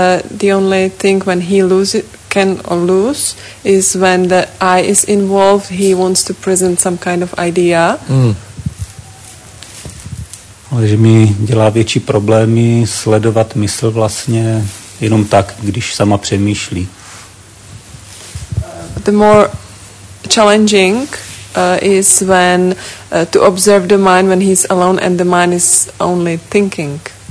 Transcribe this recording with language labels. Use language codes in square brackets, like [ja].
[en] The only thing when he can lose is when the eye is involved, he wants to present some kind of idea. [cs] Ale že mi dělá větší problémy sledovat mysl vlastně jenom tak, když sama přemýšlí. [en] The more challenging is when to observe the mind when he's alone and the mind is only thinking.